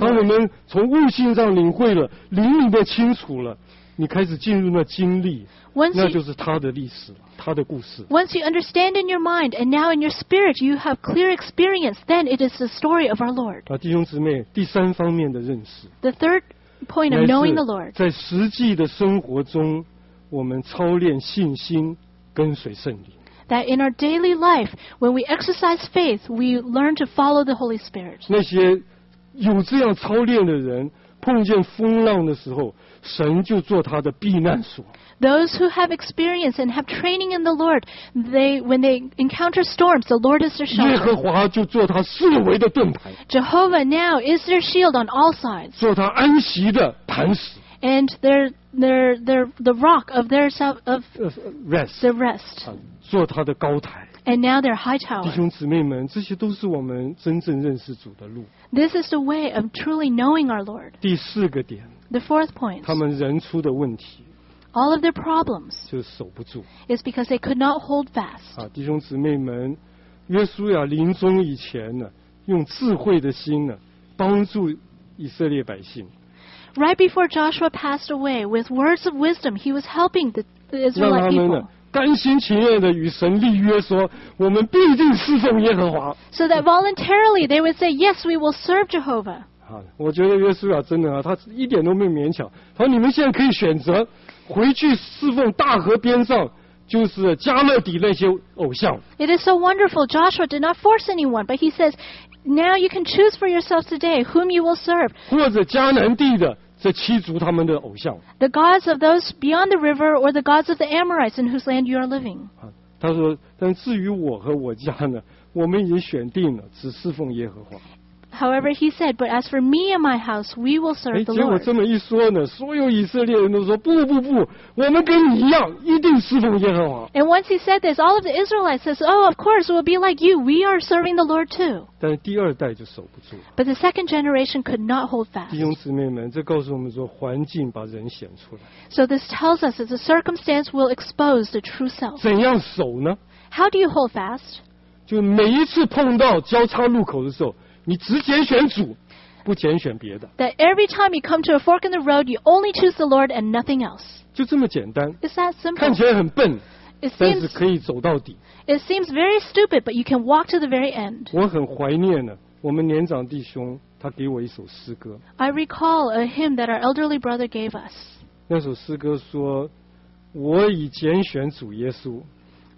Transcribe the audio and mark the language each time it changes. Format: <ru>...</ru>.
<zh>当我们从悟性上领会了，灵里面清楚了，你开始进入那经历，那就是他的历史了。</zh> <en>Once you understand in your mind and now in your spirit you have clear experience, then it is the story of our Lord.</en> <zh>弟兄姊妹，第三方面的认识。</zh> <en>The third point of knowing the Lord.</en> <zh>在实际的生活中我们操练信心，跟随圣灵。</zh> <en>That in our daily life, when we exercise faith, we learn to follow the Holy Spirit.</en> <zh>那些有这样操练的人，碰见风浪的时候，神就做他的避难所。</zh> <en>Those who have experience and have training in the Lord, when they encounter storms, the Lord is their shelter.</en> <zh>耶和华就做他四围的盾牌。</zh> <en>Jehovah now is their shield on all sides.</en> <zh>做他安息的磐石。</zh> <en>And they're the rock of their rest.</en> <zh>做他的高台。</zh> <en>And now they're high tower.</en> <zh>弟兄姊妹们，这些都是我们真正认识主的路。</zh> <en>This is the way of truly knowing our Lord.</en> <zh>第四个点。</zh> <en>The fourth point.</en> <zh>他们人出的问题。</zh> <en>All of their problems.</en> <zh>就守不住。</zh> <en>Is because they could not hold fast.</en> <zh>弟兄姊妹们，约书亚临终以前呢，用智慧的心呢，帮助以色列百姓。</zh> <en>Right before Joshua passed away, with words of wisdom, he was helping the Israelite people.</en> <zh>让他们呢，甘心情愿地与神立约说，我们必定侍奉耶和华。</zh> <en>So that voluntarily they would say, yes, we will serve Jehovah.</en> <zh>我觉得约书亚真的啊，他一点都没有勉强。他说，你们现在可以选择回去侍奉大河边上。就是加勒底那些偶像。</zh> <en>It is so wonderful. Joshua did not force anyone, but he says, "Now you can choose for yourself today whom you will serve."</en> <zh>或者迦南地的这七族他们的偶像。</zh> <en>The gods of those beyond the river, or the gods of the Amorites in whose land you are living.</en> <zh>他说，但至于我和我家呢，我们已经选定了，只侍奉耶和华。</zh> <en>However, he said, "But as for me and my house, we will serve the Lord."</en> <zh>结果这么一说呢，所有以色列人都说：“不不不，我们跟你一样，一定侍奉耶和华。”</zh> <en>And once he said this, all of the Israelites says, "Oh, of course, we'll be like you. We are serving the Lord too."</en> <zh>但第二代就守不住。</zh> <en>But the second generation could not hold fast.</en> <zh>弟兄姊妹们，这告诉我们说，环境把人显出来。</zh> <en>So this tells us that the circumstance will expose the true self.</en> <zh>怎样守呢？</zh> <en>How do you hold fast?</en> <zh>就每一次碰到交叉路口的时候。你只拣选主，不拣选别的。</zh> <en>That every time you come to a fork in the road, you only choose the Lord and nothing else.</en> <zh>就这么简单。</zh> <en>It's that simple.</en> <zh>看起来很笨，但是可以走到底。</zh> <en>It seems very stupid, but you can walk to the very end.</en> <zh>我很怀念呢，我们年长弟兄他给我一首诗歌。</zh> <en>I recall a hymn that our elderly brother gave us.</en> <zh>那首诗歌说：“我已拣选主耶稣。”</zh>